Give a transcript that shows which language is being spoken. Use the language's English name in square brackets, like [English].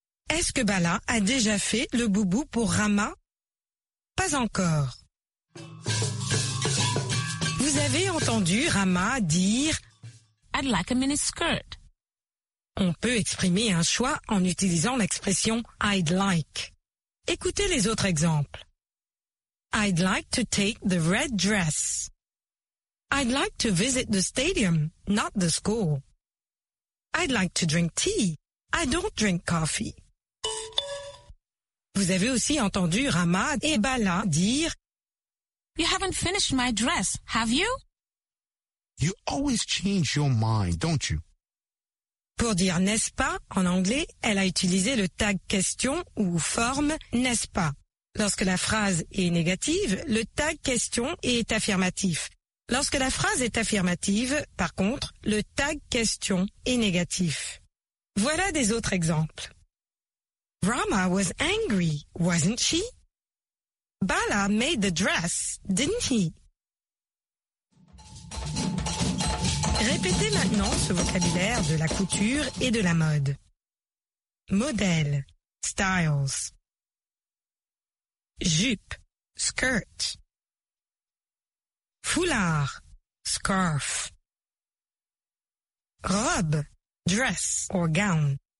[French] Est-ce que Bala a déjà fait le boubou pour Rama? Pas encore. Vous avez entendu Rama dire [English] « I'd like a mini skirt ». [French] On peut exprimer un choix en utilisant l'expression « [English] I'd like ». [French] Écoutez les autres exemples. [English] « I'd like to take the red dress ».« I'd like to visit the stadium, not the school ».« I'd like to drink tea. I don't drink coffee ». [French] Vous avez aussi entendu Rama et Bala dire [English] « You haven't finished my dress, have you ?» You always change your mind, don't you? [French] Pour dire n'est-ce pas, en anglais, elle a utilisé le tag question ou forme n'est-ce pas. Lorsque la phrase est négative, le tag question est affirmatif. Lorsque la phrase est affirmative, par contre, le tag question est négatif. Voilà des autres exemples. [English] Rama was angry, wasn't she? Bala made the dress, didn't he? [French] Répétez maintenant ce vocabulaire de la couture et de la mode. Modèle, styles. Jupe, skirt. Foulard, scarf. Robe, [English] dress or gown.